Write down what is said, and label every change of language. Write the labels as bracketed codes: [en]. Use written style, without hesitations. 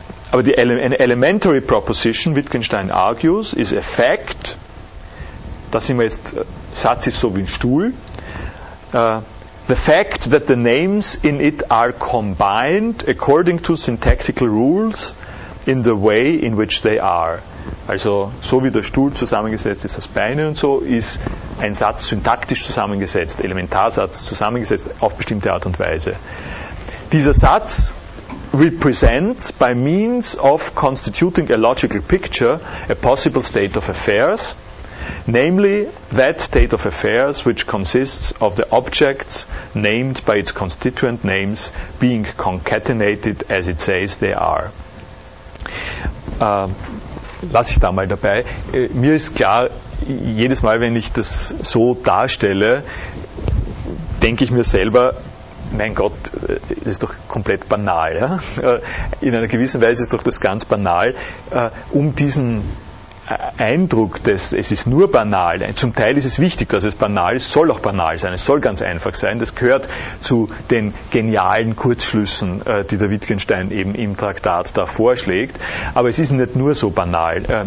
[de] Aber eine [en] elementary proposition, Wittgenstein argues, is a fact, [de] das sind wir jetzt, Satz ist so wie ein Stuhl, [en] the fact that the names in it are combined according to syntactical rules in the way in which they are. [de] Also so wie der Stuhl zusammengesetzt ist, das Beine und so, ist ein Satz syntaktisch zusammengesetzt, Elementarsatz zusammengesetzt auf bestimmte Art und Weise. Dieser Satz [en] represents by means of constituting a logical picture a possible state of affairs, namely that state of affairs which consists of the objects named by its constituent names being concatenated as it says they are. [de] lasse ich da mal dabei. Mir ist klar, jedes Mal, wenn ich das so darstelle, denke ich mir selber, mein Gott, das ist doch komplett banal. Ja? In einer gewissen Weise ist doch das ganz banal, um diesen Eindruck, dass es ist nur banal, zum Teil ist es wichtig, dass es banal ist, soll auch banal sein, es soll ganz einfach sein, das gehört zu den genialen Kurzschlüssen, die der Wittgenstein eben im Traktat da vorschlägt, aber es ist nicht nur so banal,